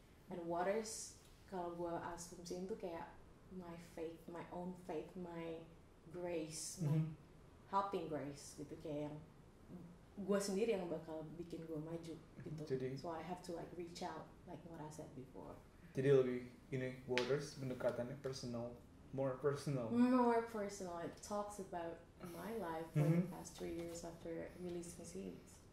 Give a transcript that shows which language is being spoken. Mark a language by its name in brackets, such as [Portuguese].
[English] And waters, [Indonesian] kalau gue asumsiin tuh kayak [English] my faith, my own faith, my grace, my mm-hmm. helping grace [Indonesian] gitu, kayak yang gue sendiri yang bakal bikin gue maju gitu. Jadi, [English] so I have to like reach out like what I said before. [Indonesian] Jadi lebih ini waters mendekatannya personal, [English] more personal. More personal. It talks about my life for mm-hmm. the past 3 years after releasing Seeds.